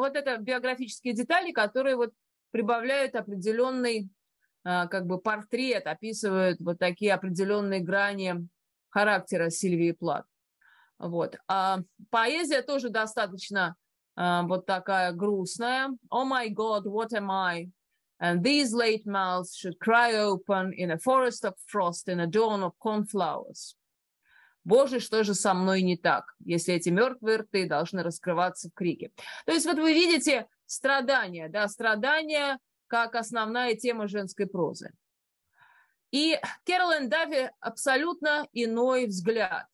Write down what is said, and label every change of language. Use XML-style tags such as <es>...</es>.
<ru>Но вот это биографические детали, которые вот прибавляют определенный как бы портрет, описывают вот такие определенные грани характера Сильвии Плат. Вот. А поэзия тоже достаточно вот такая грустная.</ru> <en>«Oh my God, what am I? And these late mouths should cry open in a forest of frost, in a dawn of cornflowers.</en> <ru>Боже, что же со мной не так, если эти мертвые рты должны раскрываться в крике?» То есть вот вы видите страдания, да, страдания как основная тема женской прозы. И Кэролайн Даффи абсолютно иной взгляд.</ru>